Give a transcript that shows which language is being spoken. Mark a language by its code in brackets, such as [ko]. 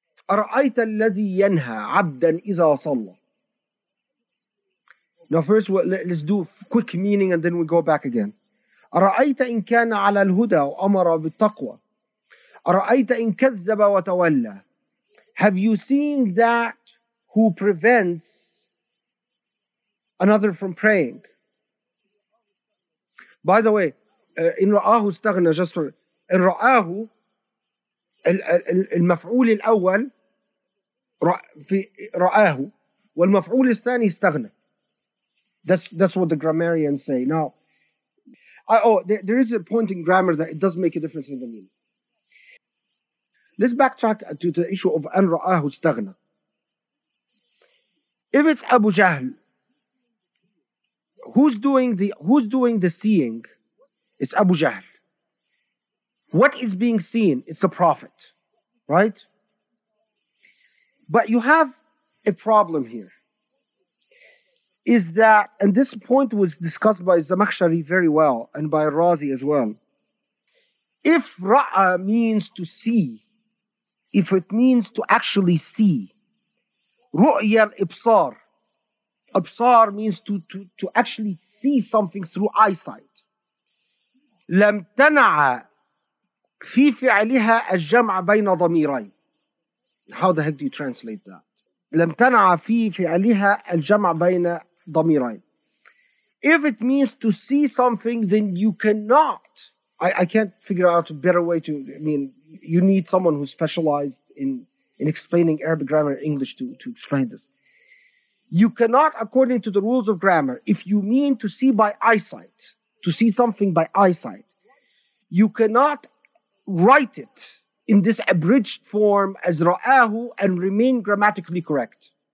[ar] أرأيت الذي ينهى عبدا إذا صلى. [en] Now first let's do quick meaning and then we go back again. [ar] أرأيت إن كان على الهدى وأمر بالتقوى. أرأيت إن كذب وتولى. [en] Have you seen that who prevents another from praying? By the way, [ar] إن رآه استغنى [en] just for [ar] إن رآه المفعول الأول في رآه والمفعول الثاني استغنى. [en] That's what the grammarians say. Now, there is a point in grammar that it does make a difference in the meaning. Let's backtrack to the issue of [ar] أن رآه استغنى. [en] If it's Abu Jahl, who's doing the seeing? It's Abu Jahl. What is being seen? It's the Prophet, right? But you have a problem here. Is that, and this point was discussed by Zamakhshari very well and by Razi as well. If Ra'a means to see, if it means to actually see, Ru'ya al-Ibsar, Ibsar means to actually see something through eyesight. [ar] لم تنع في فعلها الجمع بين ضميرين. [en] How the heck do you translate that? [ar] لم تنع في فعلها الجمع بين ضميرين. [en] If it means to see something, then you cannot. I can't figure out a better way to. I mean, you need someone who's specialized in explaining Arabic grammar and English to explain this. You cannot, according to the rules of grammar, if you mean to see by eyesight, to see something by eyesight, you cannot write it in this abridged form as ra'ahu and remain grammatically correct.